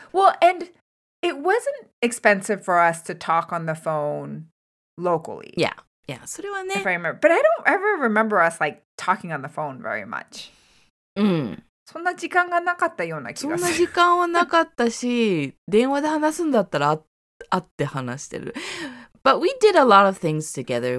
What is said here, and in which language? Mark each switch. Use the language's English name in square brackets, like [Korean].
[English] Well, and it wasn't expensive for us to talk on the phone. Locally. Yeah. [Japanese] それはね。 [English] If I remember. But I don't ever remember us like talking on the phone very much. [Japanese] そんな時間がなかったような気がする。そんな時間はなかったし、電話で話すんだったら会って話してる。 [English] But we did a lot of things together.